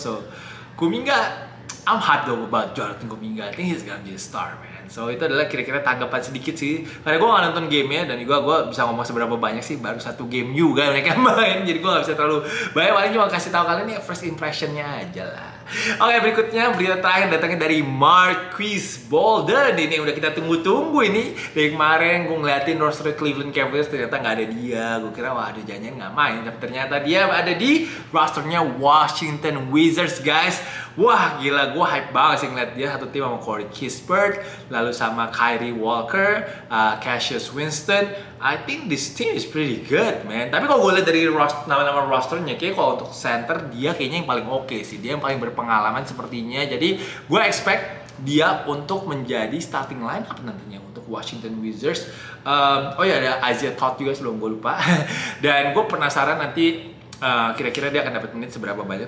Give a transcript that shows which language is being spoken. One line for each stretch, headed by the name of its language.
English: So Kuminga, I'm hyped though about Jonathan Kuminga. I think he's gonna be a star, man.
Indonesian: So itu adalah kira-kira tanggapan sedikit sih. Karena gue gak nonton gamenya, dan juga gue bisa ngomong seberapa banyak sih. Baru satu game juga mereka main, jadi gue gak bisa terlalu banyak. Paling cuma kasih tahu kalian nih first impressionnya aja lah. Oke, berikutnya berita terakhir datangnya dari Marquis Bolden. Ini yang udah kita tunggu-tunggu ini. Dari kemarin gue ngeliatin roster Cleveland Cavaliers, ternyata gak ada dia. Gue kira wah ada janjian gak main. Tapi ternyata dia ada di rosternya Washington Wizards guys. Wah gila, gue hype banget sih ngeliat dia satu tim sama Corey Kispert, lalu sama Kyrie Walker, Cassius Winston.
English: I think this team is pretty good man.
Indonesian: Tapi kalau gue liat dari nama-nama rosternya, kayak kalau untuk center dia kayaknya yang paling oke sih. Dia yang paling berpengalaman sepertinya. Jadi gue expect dia untuk menjadi starting line up nantinya untuk Washington Wizards. Ada Isaiah Todd juga sebelum gue lupa. Dan gue penasaran nanti kira-kira dia akan dapat menit seberapa banyak.